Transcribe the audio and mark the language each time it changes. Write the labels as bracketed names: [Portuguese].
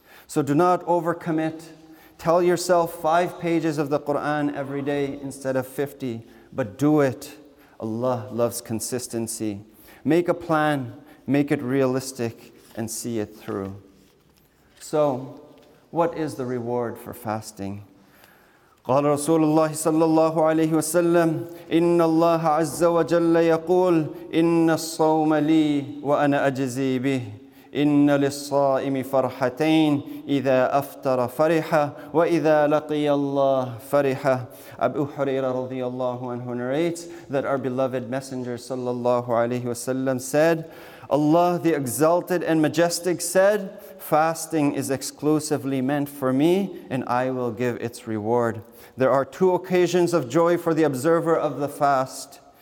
[English] So do not overcommit. Tell yourself 5 pages of the Quran every day instead of 50, but do it. Allah loves consistency. Make a plan, make it realistic, and see it through. So, what is the reward for fasting? [Arabic] قال رسول الله صلى الله عليه وسلم إن الله عز وجل يقول إن الصوم لي وأنا أجزي به إن للصائم فرحتين إذا أفطر فرحة وإذا لقي الله فرحة. [English] Abu Huraira [Arabic] رضي الله عنه [English] narrates that our beloved messenger [Arabic] صلى الله عليه وسلم [English] said, Allah the exalted and majestic said, fasting is exclusively meant for me, and I will give its reward. There are 2 occasions of joy for the observer of the fast.